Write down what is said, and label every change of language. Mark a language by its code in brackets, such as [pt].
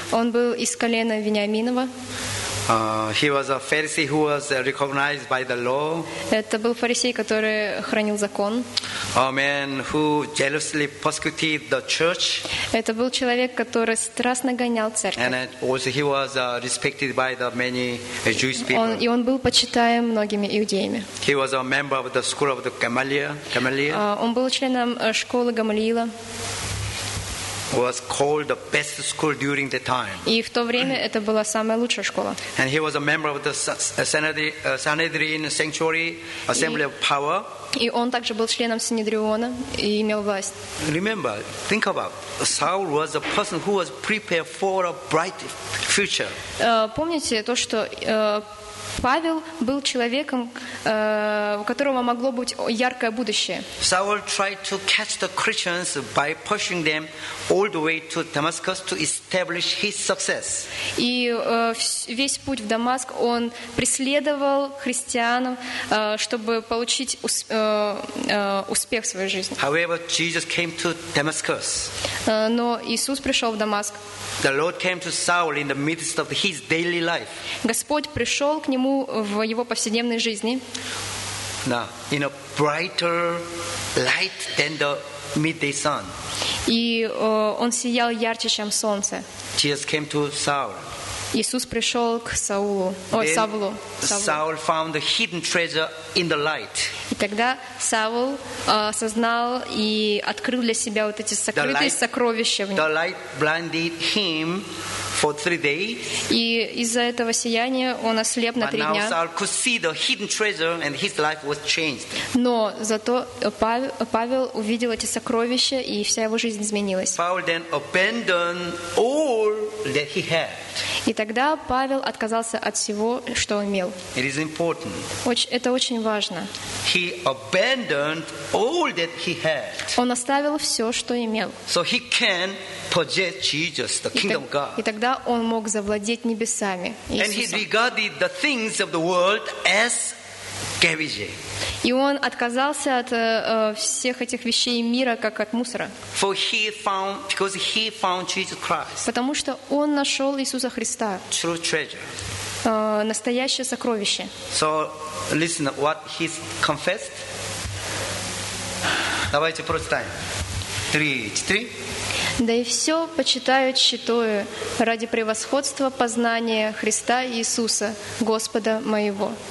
[ru] Он был из колена Вениаминова. [en] He was a Pharisee who was recognized by the law. [ru] Это был фарисей, который хранил закон. [en] A man who jealously persecuted the church. [ru] Это был человек, который страстно гонял церковь. [en] And also he was respected by the many Jewish people. [ru] И он был почитаем многими иудеями. [en] He was a member of the school of the Gamaliel. [ru] Он был членом школы Гамалиила. [en] Was called the best school during the time. [ru] И в то время это была самая лучшая школа. [en] And he was a member of the Sanhedrin sanctuary assembly of power. [ru] И он также был членом Синедриона и имел власть. [en] Remember, think about Saul was a person who was prepared for a bright future. [ru] Помните то, что Павел был человеком, у которого могло быть яркое будущее. [en] Saul tried to catch the Christians by pushing them all the way to Damascus to establish his success. [ru] И весь путь в Дамаск он преследовал христиан, чтобы получить успех в своей жизни. [en] However, Jesus came to Damascus. [ru] Но Иисус пришел в Дамаск. [en] The Lord came to Saul in the midst of his daily life. [ru] Господь пришел к нему в его повседневной жизни. [en] Now, in a brighter light than the midday sun. [ru] И он сиял ярче, чем солнце. [en] Jesus came to Saul. [ru] Иисус пришел к Саулу, Савлу. [en] Saul found the hidden treasure in the light. [ru] И тогда Савл осознал и открыл для себя вот эти сокрытые сокровища в нем. [en] The light blinded him for 3 days. [ru] И из-за этого сияния он ослеп на три дня. [en] But now Saul could see the hidden treasure, and his life was changed. [ru] Но зато Павел увидел эти сокровища, и вся его жизнь изменилась. [en] Paul then abandoned all that he had. [ru] И тогда Павел отказался от всего, что он имел. [en] It is important. [ru] Это очень важно. [en] He abandoned all that he had. [ru] Он оставил все, что имел. [en] So he can possess Jesus, the kingdom of God. [ru] И тогда он мог завладеть небесами. Иисусом. [en] And he regarded the things of the world as garbage. [ru] И он отказался от всех этих вещей мира, как от мусора. [en] For he found, because he found Jesus Christ. [ru] Потому что он нашел Иисуса Христа. [en] True treasure. [ru] настоящее сокровище. [en] So listen what he confessed. [ru] Давайте прочитаем. 3, 4. Да и все почитаю тщетою ради превосходства познания Христа Иисуса, Господа моего.